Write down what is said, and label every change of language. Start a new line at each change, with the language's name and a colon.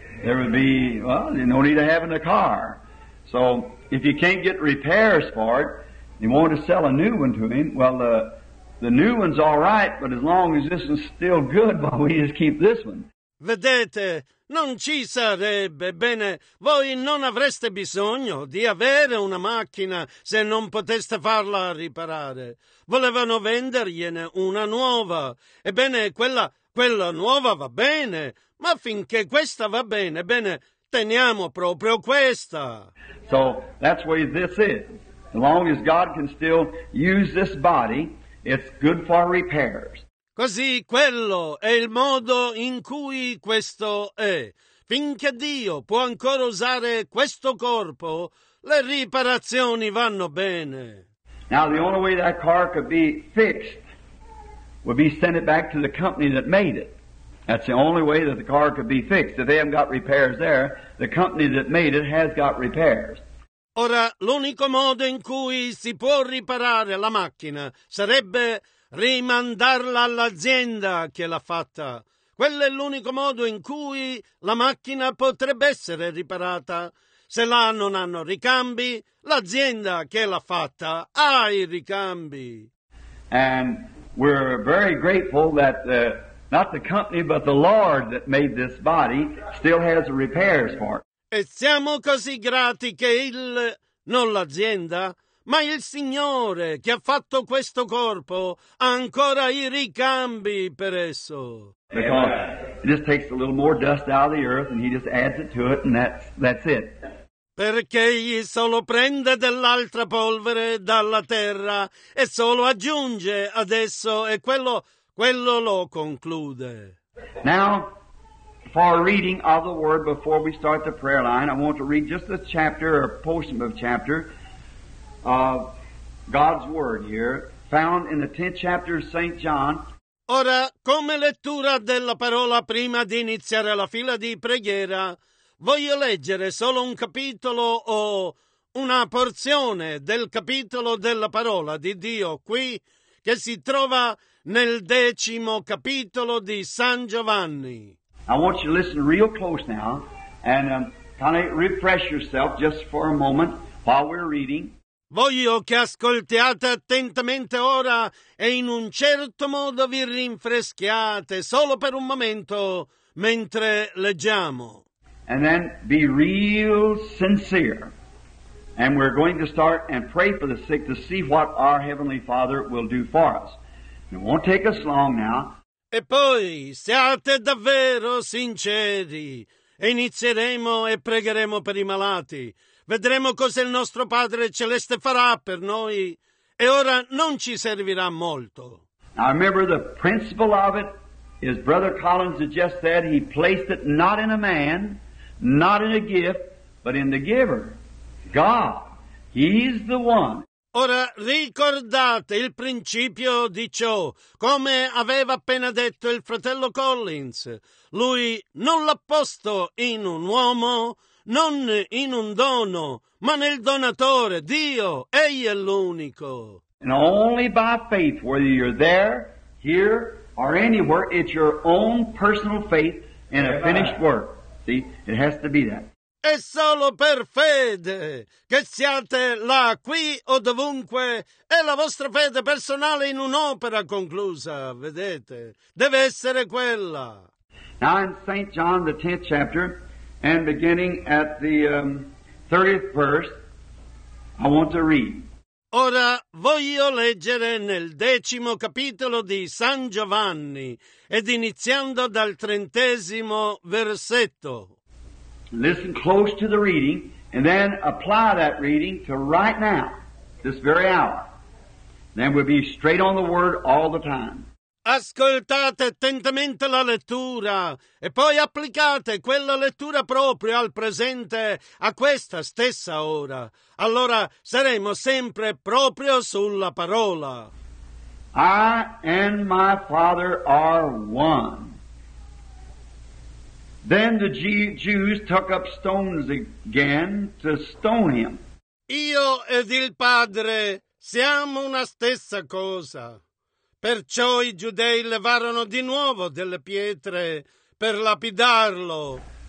English: There would be, well, no need of having a car. So if you can't get repairs for it, you want to sell a new one to him, well, the new one's all right, but as long as this is still good, well, we just keep this one.
Italian: Vedete, non ci sarebbe bene. Voi non avreste bisogno di avere una macchina se non poteste farla riparare. Volevano vendergliene una nuova. Ebbene, quella nuova va bene, ma finché questa va bene, bene, teniamo proprio questa.
English: So, that's where this is. As long as God can still use this body, it's good for repairs.
Italian: Così quello è il modo in cui questo è. Finché Dio può ancora usare questo corpo, le riparazioni vanno bene.
English: Now the only way that car could be fixed would be send it back to the company that made it. That's the only way that the car could be fixed. If they haven't got repairs there, the company that made it has got repairs.
Italian: Ora, l'unico modo in cui si può riparare la macchina sarebbe rimandarla all'azienda che l'ha fatta. Quello è l'unico modo in cui la macchina potrebbe essere riparata. se là non hanno ricambi, l'azienda che l'ha fatta ha i ricambi.
English: And we're very grateful that not the company but the Lord that made this body still has the repairs for it.
Italian: E siamo così grati che il, non l'azienda, ma il Signore che ha fatto questo corpo ha ancora i ricambi per esso.
English: Because it just takes a little more dust out of the earth and he just adds it to it and that's it.
Italian: Perché egli solo prende dell'altra polvere dalla terra e solo aggiunge adesso e quello lo conclude.
English: Now, for reading of the word before we start the prayer line, I want to read just this chapter or portion of chapter of God's word here, found in the 10th chapter of St. John.
Italian: Ora, come lettura della parola prima di iniziare la fila di preghiera, voglio leggere solo un capitolo o una porzione del capitolo della parola di Dio qui, che si trova nel 10° capitolo di San Giovanni.
English: I want you to listen real close now and kind of refresh yourself just for a moment while we're reading.
Italian: Voglio che ascoltiate attentamente ora e in un certo modo vi rinfreschiate solo per un momento mentre leggiamo.
English: And then be real sincere. And we're going to start and pray for the sick to see what our Heavenly Father will do for us. It won't take us long now.
Italian: E poi siate davvero sinceri. Inizieremo e pregheremo per i malati. Vedremo cosa il nostro Padre Celeste farà per noi. E ora non ci servirà molto.
English: I remember the principle of it is Brother Collins had just said he placed it not in a man, not in a gift, but in the giver, God. He's the one.
Italian: Ora ricordate il principio di ciò, come aveva appena detto il fratello Collins. Lui non l'ha posto in un uomo, non in un dono, ma nel donatore, Dio. Egli è l'unico.
English: And only by faith, whether you're there, here, or anywhere, it's your own personal faith in a finished work. See, it has to be that.
Italian: È solo per fede che siate là, qui o dovunque, è la vostra fede personale in un'opera conclusa, vedete? Deve essere quella.
English: Now in St. John, the 10th chapter, and beginning at the 30th verse, I want to read.
Italian: Ora voglio leggere nel 10° capitolo di San Giovanni ed iniziando dal 30° versetto.
English: Listen close to the reading and then apply that reading to right now, this very hour. Then we'll be straight on the word all the time.
Italian: Ascoltate attentamente la lettura e poi applicate quella lettura proprio al presente, a questa stessa ora. Allora saremo sempre proprio sulla parola.
English: I and my Father are one. Then the Jews took up stones again to stone him.
Italian: Io ed il Padre siamo una stessa cosa. Perciò i giudei levarono di nuovo delle pietre per lapidarlo.